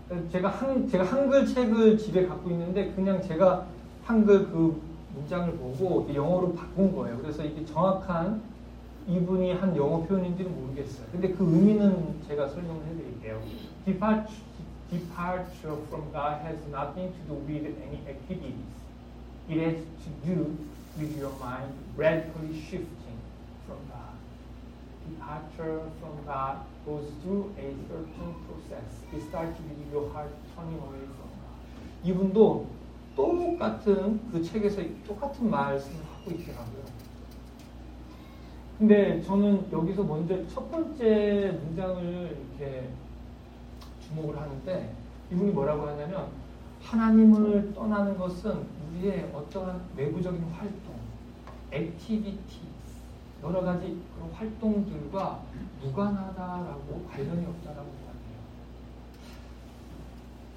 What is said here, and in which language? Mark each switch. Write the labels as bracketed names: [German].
[Korean] 제가 한글 책을 집에 갖고 있는데 그냥 제가 한글 그 문장을 보고 영어로 바꾼 거예요. 그래서 이게 정확한 이분이 한 영어 표현인지는 모르겠어요. 근데 그 의미는 제가 설명을 해드릴게요. [English] Departure from God has nothing to do with any activities. It has to do with your mind radically shifting from God. Departure from God goes through a certain process. It starts with your heart turning away from God. [Korean] 이분도 똑같은 그 책에서 똑같은 말씀을 하고 있더라고요. 근데 저는 여기서 먼저 첫 번째 문장을 이렇게 주목을 하는데 이분이 뭐라고 하냐면 하나님을 떠나는 것은 우리의 어떠한 외부적인 활동, activity, 여러 가지 그런 활동들과 무관하다라고 관련이 없다라고 말해요.